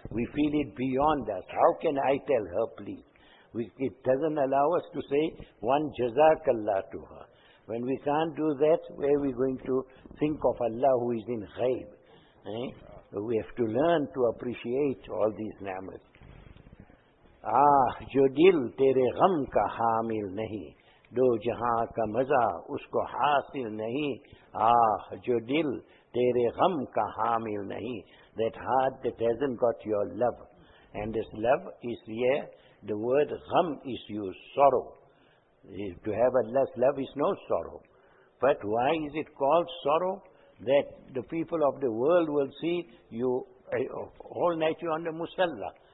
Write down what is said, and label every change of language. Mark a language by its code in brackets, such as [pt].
[en] We feel it beyond us. How can I tell her please? It doesn't allow us to say one jazakallah to her. When we can't do that, where are we going to think of Allah who is in ghaib? We have to learn to appreciate all these ni'mat. [ur] جو دل تیرے غم کا حامل نہیں, دو جہاں کا مزہ اس کو حاصل نہیں. جو دل تیرے غم کا حامل نہیں. [en] That heart that hasn't got your love. And this love is here. The word غم is used, sorrow. To have Allah's love is no sorrow. But why is it called sorrow? That the people of the world will see you all night you're on the musalla.